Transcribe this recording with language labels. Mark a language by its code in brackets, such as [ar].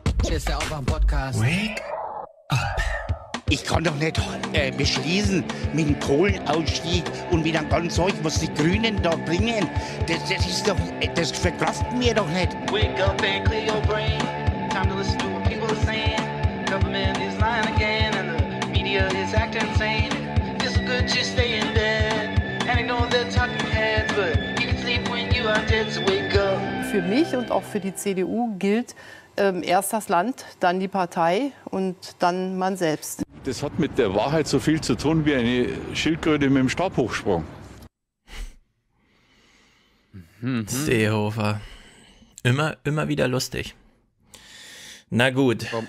[de] Ist der Aufwachen-Podcast. [en] Wake up. [de] Ich kann doch nicht beschließen mit dem Kohlenausstieg und mit einem ganzen Zeug, was die Grünen da bringen. Das ist doch, das verkraften wir doch nicht. [en] Wake up and clear your brain. Time to listen to what people are saying. Government is lying again and the media is acting insane. It's good to stay in bed and ignore the talking heads, but you can sleep when you are dead, so wake up. [de] Für mich und auch für die CDU gilt erst das Land, dann die Partei und dann man selbst. Das hat mit der Wahrheit so viel zu tun wie eine Schildkröte mit dem Stabhochsprung. Seehofer. Immer wieder lustig. Na gut.